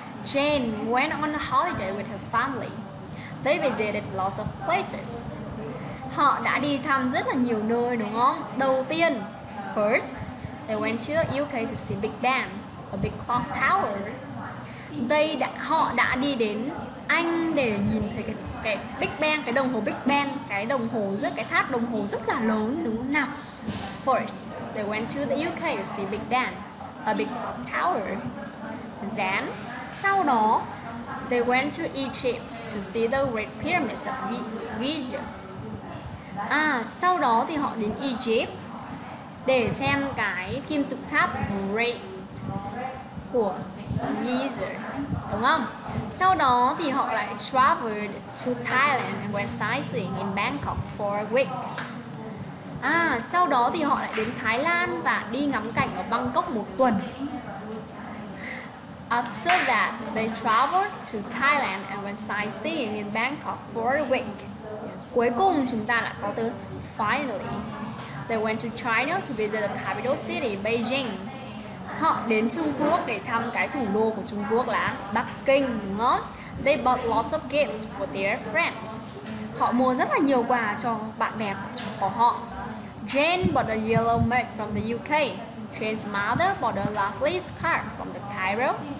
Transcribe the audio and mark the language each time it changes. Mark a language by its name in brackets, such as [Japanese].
[English] Jane went on a holiday with her family. They visited lots of places. [Vietnamese] Họ đã đi thăm rất là nhiều nơi, đúng không? Đầu tiên, [English] first, they went to the UK to see Big Ben, a big clock tower. [Vietnamese] Họ đã đi đến Anh để nhìn thấy cái Big Ben, cái tháp đồng hồ rất là lớn, đúng không nào? [English] First, they went to the UK to see Big Ben, a big clock tower. Then, [Vietnamese] sau đó, [English] they went to Egypt to see the Great Pyramids of Giza. [Vietnamese] Sau đó thì họ đến Egypt để xem cái kim tự tháp Great của Giza, đúng không? Sau đó thì họ lại [English] traveled to Thailand and went sightseeing in Bangkok for a week. [Vietnamese] Sau đó thì họ lại đến Thái Lan và đi ngắm cảnh ở Bangkok một tuần. [English] After that, they traveled to Thailand and went sightseeing in Bangkok for a week. [Vietnamese] Cuối cùng, chúng ta lại có từ finally. [English] They went to China to visit the capital city, Beijing. [Vietnamese] Họ đến Trung Quốc để thăm cái thủ đô của Trung Quốc là Bắc Kinh, đúng không? [English] They bought lots of gifts for their friends. [Vietnamese] Họ mua rất là nhiều quà cho bạn bè của họ. [English] Jane bought a yellow mug from the UK. Jane's mother bought a lovely scarf from the Cairo.